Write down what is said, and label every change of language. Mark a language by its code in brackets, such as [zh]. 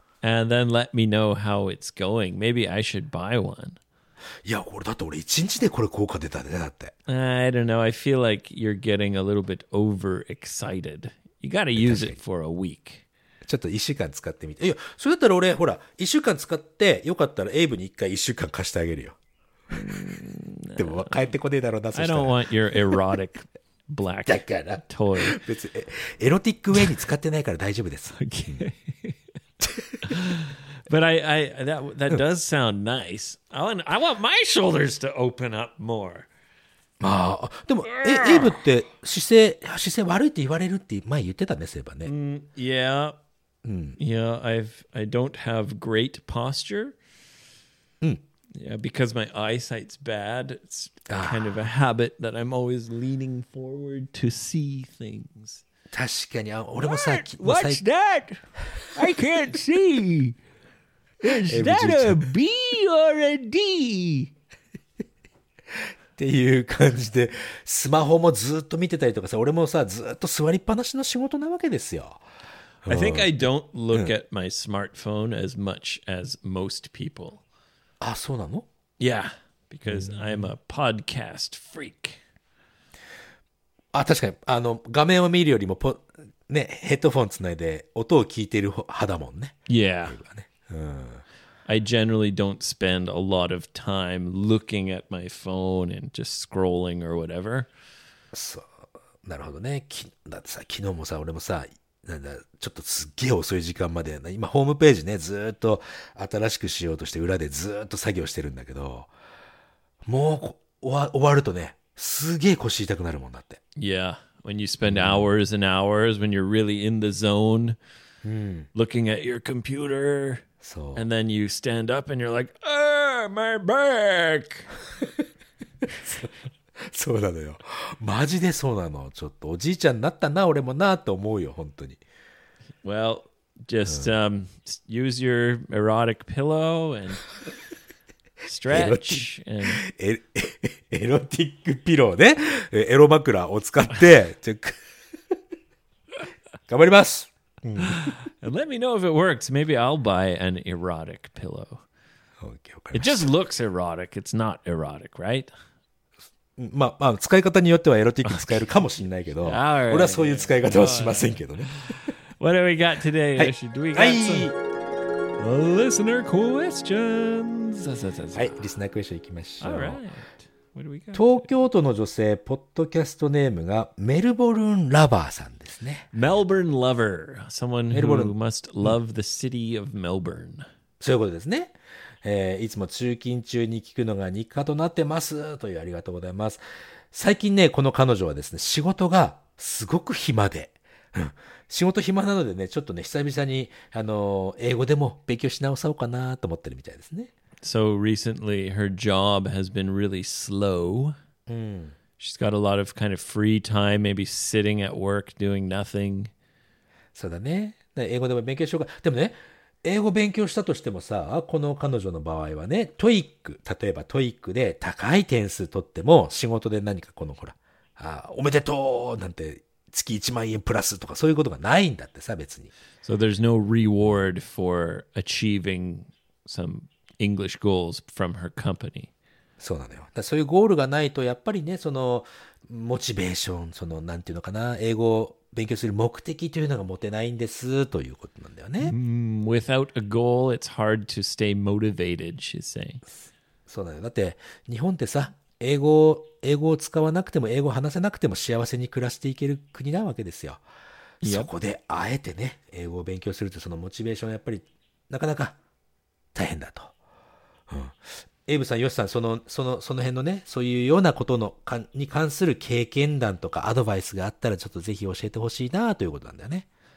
[en] And then let me know how it's going. Maybe I should buy one. [ja] いや、これだって俺一日でこれ効果出たね、だって。 [en] I don't know. I feel like you're getting a little bit overexcited. You gotta use it for a week. [ja] ちょっと1週間使ってみて。いや、それだったら俺、ほら、1週間使って、よかったらエイブに1回1週間貸してあげるよ。でも帰ってこねえだろうな。 [en] I don't want your erotic black toy. [ja] だから別にエロティックウェイに使ってないから大丈夫です。 [en] But that does sound nice. I want my shoulders to open up more. [ja] まあでもエイブって姿勢悪いって言われるって前言ってたね、そういえばね。 [en] I don't have great posture. Yeah, because my eyesight's bad, it's kind of a habit that I'm always leaning forward to see things. [ja] 確かに、俺もさ、 [en] What? [ja] 最 [en] 近、What's that? I can't see. Is that a B or a D? [ja] っていう感じで、スマホもずっと見てたりとかさ、俺もさ、ずっと座りっぱなしの仕事なわけですよ。 [en] I think I don't look at my smartphone as much as most people. [ja] あ、そうなの? [en] Yeah, because I'm a podcast freak. [ja] あ、確かに。あの、画面を見るよりも、ね、ヘッドフォンつないで音を聞いている派だもんね。 [en] Yeah. I generally don't spend a lot of time looking at my phone and just scrolling or whatever. [ja] そう、なるほどね。だってさ、昨日もさ、俺もさ、なんだちょっとすっげえ遅い時間まで、今ホームページねずっと新しくしようとして裏でずっと作業してるんだけど、もう終わるとねすげえ腰痛くなるもんだって。 [en] Yeah, when you spend hours and hours, when you're really in the zone, looking at your computer, [ja] そう、 [en] and then you stand up and you're like, ah, my back! [ja] そうなのよ。マジでそうなの。ちょっとおじいちゃんになったな、俺もなと思うよ、本当に。 [en] Well, just use your erotic pillow and stretch. [ja] エロティックピローね。エロ枕を使って。頑張ります。 [en] Let me know if it works. Maybe I'll buy an erotic pillow. Okay, it just looks erotic. It's not erotic, right? [ja] まあ、まあ使い方によってはエロティック使えるかもしれないけど、 [en] right. [ja] 俺はそういう使い方はしませんけどね。 [en] What have we got today, Yoshi? Do we got some listener questions? [ja] はい、リスナークエッションいきましょう。 [en] All right. What do we got? [ja] 東京都の女性、ポッドキャストネームがメルボルンラバーさんですね。 [en] Melbourne lover. Someone who must love the city of Melbourne. [ja] そういうことですね。いつも通勤中に聞くのが日課となってますというありがとうございます。最近ねこの彼女はですね仕事がすごく暇で仕事暇なのでねちょっとね久々に英語でも勉強し直そうかなと思ってるみたいですね。 [en] So recently her job has been really slow、She's got a lot of kind of free time, maybe sitting at work doing nothing. [ja] そうだね、だ英語でも勉強しようか。でもね英語勉強したとしてもさ、この彼女の場合はね、TOEIC、例えば TOEIC で高い点数取っても、仕事で何かこのほら、あ、おめでとうなんて、月1万円プラスとかそういうことがないんだってさ、別に。 [en] So there's no reward for achieving some English goals from her company. [ja] そうなのよ。だそういうゴールがないと、やっぱりね、その、モチベーション、その、なんていうのかな、英語を勉強する目的というのが持てないんですということなんだよね。 [en] Without a goal, it's hard to stay motivated, she's saying. [ja] そうだよ。だって、日本ってさ、英語を使わなくても、英語を話せなくても幸せに暮らしていける国なわけですよ。そこで、あえてね、英語を勉強すると、そのモチベーションはやっぱり、なかなか大変だと。うん。エイブさん、ヨシさん、その辺のね、そういうようなことのかに関する経験談とかアドバイスがあったら、ちょっとぜひ教えてほしいなということなんだよね。